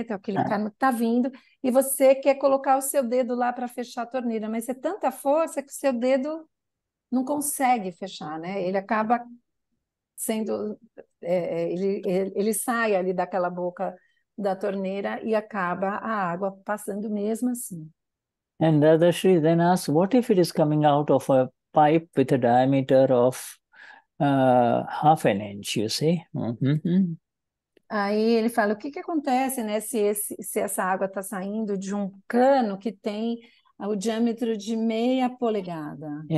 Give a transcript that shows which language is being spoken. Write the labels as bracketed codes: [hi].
[pt] Então, aquele karma que está vindo, e você quer colocar o seu dedo lá para fechar a torneira, mas é tanta força que o seu dedo não consegue fechar, né? Ele acaba sendo, ele sai ali daquela boca da torneira e acaba a água passando mesmo assim. [en] And Dadashri then asks, what if it is coming out of a pipe with a diameter of half an inch, you see? [pt] Aí ele fala, o que que acontece, né, se essa água está saindo de um cano que tem o diâmetro de meia polegada?